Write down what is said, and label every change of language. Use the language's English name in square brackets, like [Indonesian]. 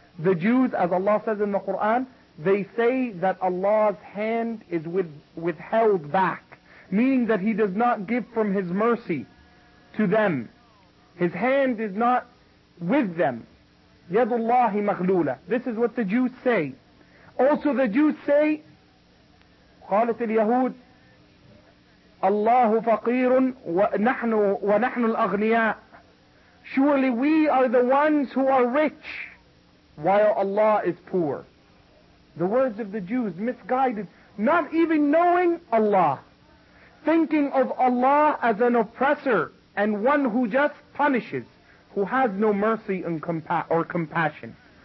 [English] The Jews, as Allah says in the Quran, they say that Allah's hand is withheld back, meaning that he does not give from his mercy to them. His hand is not with them. [Arabic] يَدُ اللَّهِ مَغْلُولَ. [English] This is what the Jews say. Also the Jews say, [Arabic] قَالَتِ الْيَهُودِ اللَّهُ فَقِيرٌ وَنَحْنُ الْأَغْنِيَاءِ. [English] Surely we are the ones who are rich while Allah is poor. The words of the Jews, misguided, not even knowing Allah, thinking of Allah as an oppressor and one who just punishes, who has no mercy and compassion.